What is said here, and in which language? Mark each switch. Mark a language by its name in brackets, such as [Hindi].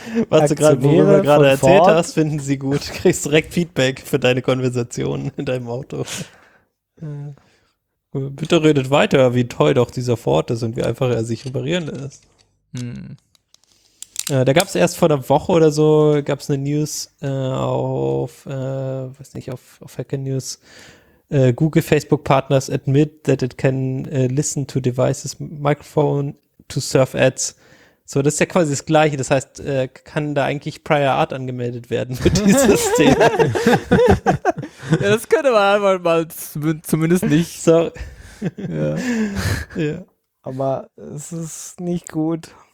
[German] Was Aktionäre du gerade erzählt Ford hast, finden sie gut. Du kriegst direkt Feedback für deine Konversation in deinem Auto. Bitte redet weiter, wie toll doch dieser Ford ist und wie einfach er sich reparieren lässt. Ja, da gab es erst vor einer Woche oder so, gab es eine News auf Hacker News. [English] Google Facebook Partners admit that it can listen to devices microphone to serve ads. [German] So, das ist ja quasi das Gleiche. Das heißt, kann da eigentlich Prior Art angemeldet werden für dieses Thema? Ja, das könnte man einfach mal zumindest nicht. Sorry. Ja. Ja. Aber es ist nicht gut.